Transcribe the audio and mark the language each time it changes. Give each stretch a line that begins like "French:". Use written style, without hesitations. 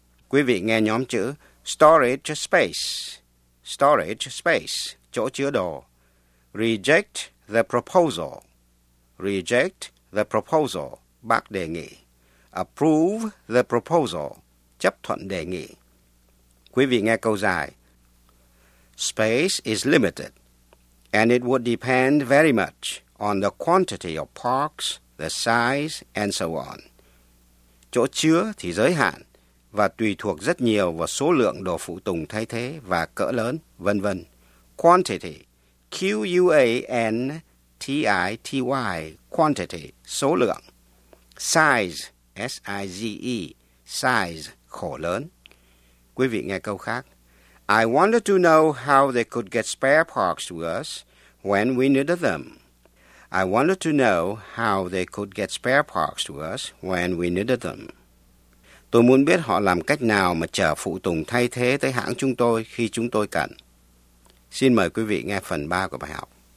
Vietnamese: Quý vị nghe nhóm chữ
English: storage space. Storage space,
Vietnamese: chỗ chứa đồ.
English: Reject the proposal. Reject the proposal,
Vietnamese: bác đề nghị.
English: Approve the proposal,
Vietnamese: chấp thuận đề nghị. Quý vị nghe câu dài.
English: Space is limited, and it would depend very much on the quantity of parts, the size, and so on.
Vietnamese: Chỗ chứa thì giới hạn, và tùy thuộc rất nhiều vào số lượng đồ phụ tùng thay thế và cỡ lớn, vân vân.
English: Quantity, Q-U-A-N-T-I-T-Y, quantity,
Vietnamese: số lượng. Size, S-I-Z-E, size, khổ lớn. Quý vị nghe câu khác.
English: I wanted to know how they could get spare parts to us when we needed them. I wanted to know how they could get spare parts to us when we needed them.
Vietnamese: Tôi muốn biết họ làm cách nào mà chở phụ tùng thay thế tới hãng chúng tôi khi chúng tôi cần. Xin mời quý vị nghe phần 3 của bài học.